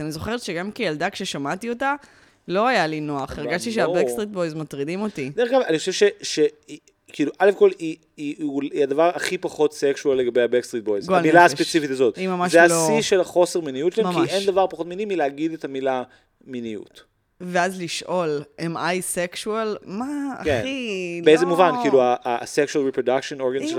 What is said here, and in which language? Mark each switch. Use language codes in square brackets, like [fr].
[he] אני זוכרת שגם כילדה כששמעתי אותה, לא היה לי נוח. הרגשתי שהבקסטריט בויז מטרידים אותי. דרך אגב, אני חושב ש... כאילו, א' כל, היא הדבר הכי פחות סקשואל לגבי הבקסטריט בויז. המילה הספציפית הזאת. היא ממש לא... זה השיא של החוסר מיניות שלהם, כי אין דבר פחות מיני מלהגיד את המילה מיניות. ואז לשאול, [en] am I sexual? [he] מה, כן. אחי? באיזה לא. מובן? כאילו, ה- [en] sexual reproduction organs [he] שלך עובדים?